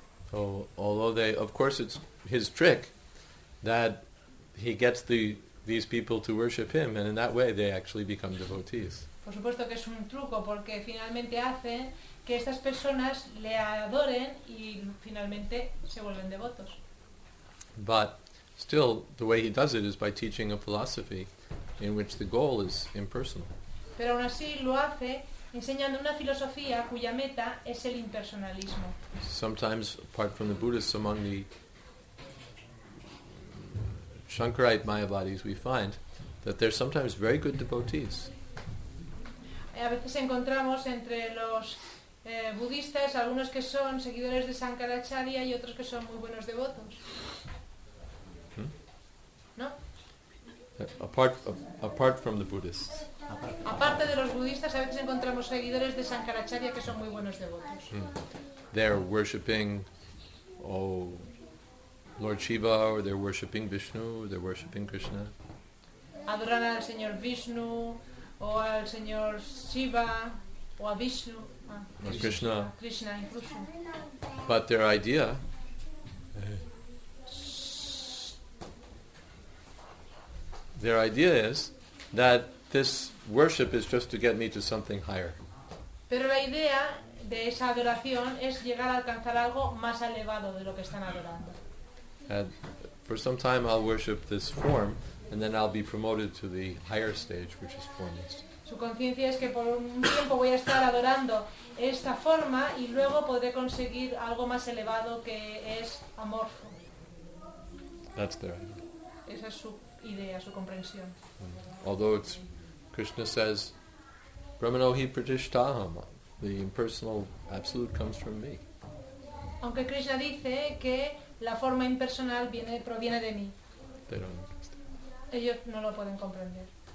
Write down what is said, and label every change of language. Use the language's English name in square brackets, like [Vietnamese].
[English] So, although they, of course, it's his trick that he gets these people to worship him, and in that way they actually become devotees. [Spanish] Por supuesto que es un truco, porque finalmente hace que estas personas le adoren y finalmente se vuelven devotos. [English] But still, the way he does it is by teaching a philosophy in which the goal is impersonal. [Spanish] Pero aún así lo hace enseñando una filosofía cuya meta es el impersonalismo. [English] Sometimes, apart from the Buddhists, among the Shankarite Mayavadis, we find that they're sometimes very good devotees. [Spanish] A veces encontramos entre los budistas, algunos que son seguidores de Shankaracharya y otros que son muy buenos devotos. ¿No? [English] Apart from the Buddhists. [Spanish] Aparte de los budistas, a veces encontramos seguidores de Shankaracharya que son muy buenos devotos. [English] They're worshipping Lord Shiva, or they're worshipping Vishnu, they're worshipping Krishna. [Spanish] Adoran al señor Vishnu o al señor Shiva o a Vishnu. [English] Krishna. [Spanish] Krishna, incluso. [English] But their idea is that this worship is just to get me to something higher. [Spanish] Pero la idea de esa adoración es llegar a alcanzar algo más elevado de lo que están adorando. [English] And for some time I'll worship this form and then I'll be promoted to the higher stage, which is formless. [Spanish] Su conciencia es que por un tiempo voy a estar adorando esta forma y luego podré conseguir algo más elevado, que es amorfo. [English] That's their idea. [Spanish] Esa es su idea, su comprensión. [English] Although it's, Krishna says, [Sanskrit] Brahmanohi pratishtaham, [English] the impersonal absolute comes from me. [Spanish] Aunque Krishna dice que la forma impersonal proviene de mí. [English] They don't understand. [Spanish] ellos no lo pueden comprender.